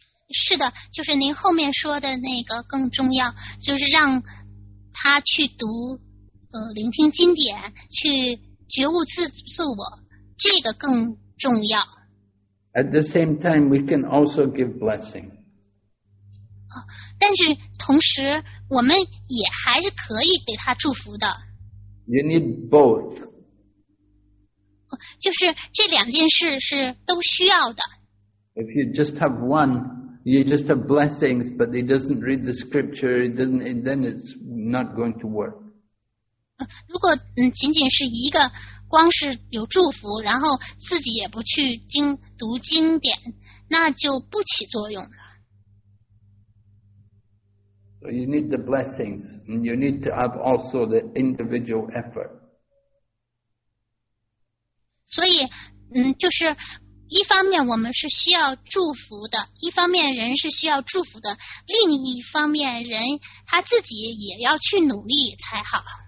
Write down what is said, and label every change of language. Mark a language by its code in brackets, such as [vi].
[zh] 是的，就是您后面说的那个更重要，就是让他去读聆听经典，去觉悟自我，这个更重要。 [en] At the same time, we can also give blessing. [zh] 但是同时，我们也还是可以给他祝福的。 [en] You need both. [zh] 就是这两件事是都需要的。 [en] If you just have one, you just have blessings, but he doesn't read the scripture, then it's not going to work. [zh] 如果仅仅是一个光是有祝福然后自己也不去读经典那就不起作用了。 [en] So you need the blessings and you need to have also the individual effort. [zh] 所以就是一方面我们是需要祝福的一方面人是需要祝福的另一方面人他自己也要去努力才好。